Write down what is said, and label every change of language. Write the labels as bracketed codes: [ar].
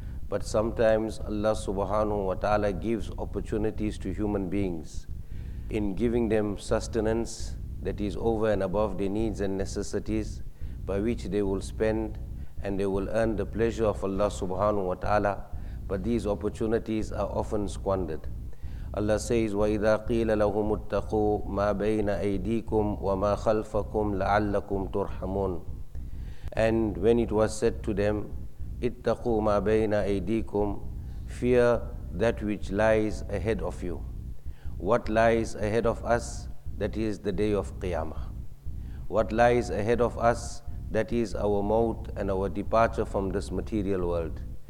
[en] But sometimes Allah subhanahu wa ta'ala gives opportunities to human beings in giving them sustenance that is over and above their needs and necessities, by which they will spend and they will earn the pleasure of Allah subhanahu wa ta'ala. But these opportunities are often squandered. Allah says, [ar] وَإِذَا قِيلَ لَهُمُ اتَّقُوا مَا بَيْنَ أَيْدِيكُمْ وَمَا خَلْفَكُمْ لَعَلَّكُمْ تُرْحَمُونَ. [en] And when it was said to them, [ar] اتَّقُوا مَا بَيْنَ أَيْدِيكُمْ, [en] fear that which lies ahead of you. What lies ahead of us? That is the day of Qiyamah. What lies ahead of us? That is our mouth and our departure from this material world.